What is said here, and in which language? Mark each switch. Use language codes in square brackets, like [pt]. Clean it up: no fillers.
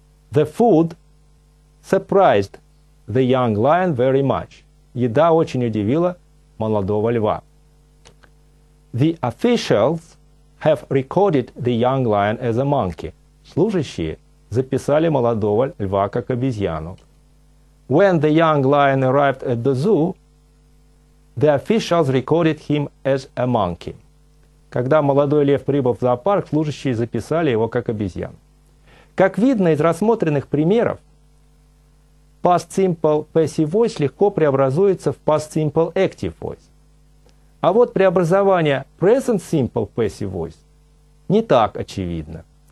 [en] The food surprised the young lion very much. [ru] Еда очень удивила молодого льва. [en] The officials have recorded the young lion as a monkey. [ru] Служащие записали молодого льва как обезьяну. [en] When the young lion arrived at the zoo, the officials recorded him as a monkey. [ru] Когда молодой лев прибыл в зоопарк, служащие записали его как обезьяну. Как видно из рассмотренных примеров, past simple passive voice легко преобразуется в past simple active voice. А вот преобразование present simple passive voice не так очевидно.